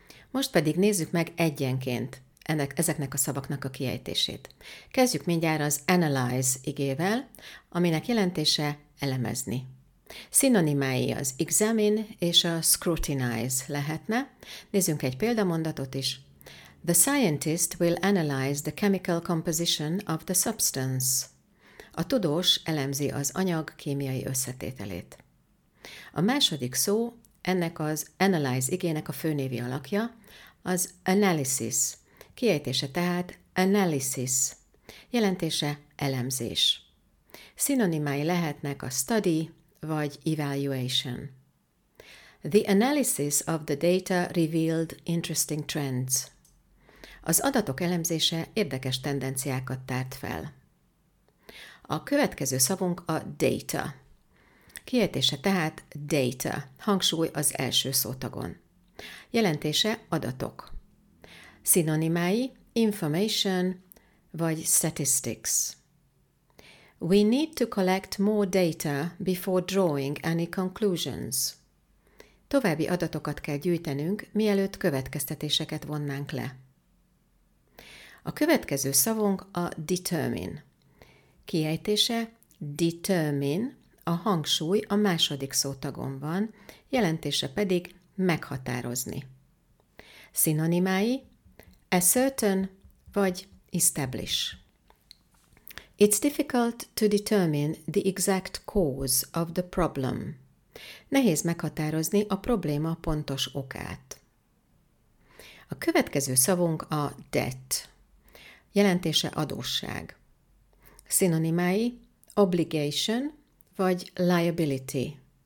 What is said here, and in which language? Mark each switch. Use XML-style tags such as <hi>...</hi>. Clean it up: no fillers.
<hu>Most pedig nézzük meg egyenként ezeknek a szavaknak a kiejtését. Kezdjük mindjárt az analyze igével, aminek jelentése elemezni. Szinonimái az examine és a scrutinize lehetne. Nézzünk egy példamondatot is.</hu> <en>The scientist will analyze the chemical composition of the substance.</en> <hu>A tudós elemzi az anyag kémiai összetételét. A második szó ennek az analyze igének a főnévi alakja az analysis. Kiejtése tehát analysis. Jelentése elemzés. Szinonimái lehetnek a study, vagy evaluation.</hu> <en>The analysis of the data revealed interesting trends.</en> <hu>Az adatok elemzése érdekes tendenciákat tárt fel. A következő szavunk a data. Kiejtése tehát data. Hangsúly az első szótagon. Jelentése adatok. Szinonimái information vagy statistics.</hu> <en>We need to collect more data before drawing any conclusions.</en> <hu>További adatokat kell gyűjtenünk, mielőtt következtetéseket vonnánk le. A következő szavunk a determine. Kiejtése determine, a hangsúly a második szótagon van, jelentése pedig meghatározni. Szinonimái ascertain vagy establish.</hu> <en>It's difficult to determine the exact cause of the problem.</en> <hu>Nehéz meghatározni a probléma pontos okát. A következő szavunk a debt. Jelentése adósság. Szinonimái obligation vagy liability.</hu>